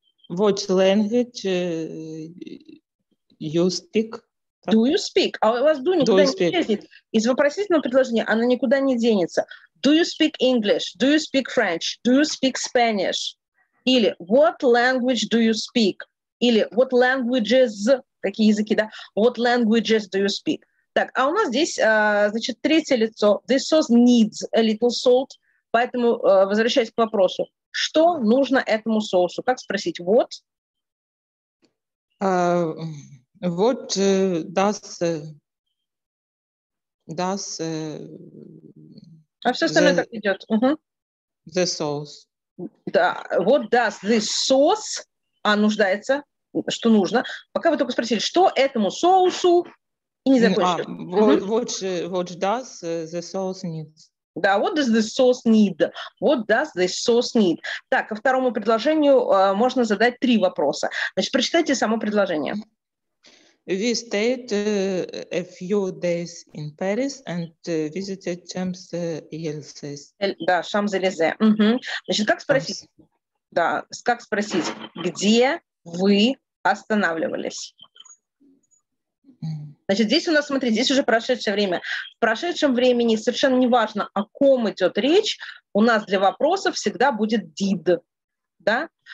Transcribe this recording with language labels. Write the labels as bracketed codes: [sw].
[en] What language you speak? Do you speak? [ru] А у вас do никуда не денется. Из вопросительного предложения она никуда не денется. [en] Do you speak English? Do you speak French? Do you speak Spanish? Или what language do you speak? Или what languages? [ru] Какие языки, да? [en] What languages do you speak? [ru] Так, а у нас здесь, значит, третье лицо. [en] This sauce needs a little salt. [ru] Поэтому, возвращаясь к вопросу, что нужно этому соусу? Как спросить? What? [en] What does... [ru] А все остальное так идет. [en] The sauce. [ru] Да. [en] What does this sauce... [ru] А, нуждается... Что нужно? Пока вы только спросили, что этому соусу и не закончили. [en] What does the sauce need? Да, what does the sauce need? What does the sauce need? [ru] Так, ко второму предложению можно задать три вопроса. Значит, прочитайте само предложение. [en] We stayed a few days in Paris and visited Champs-Élysées. [ru] Да, Champs-Élysées. Значит, как спросить? Да, как спросить, где вы останавливались. Значит, здесь у нас, смотри, здесь уже прошедшее время. В прошедшем времени совершенно не важно, о ком идет речь, у нас для вопросов всегда будет did. Да?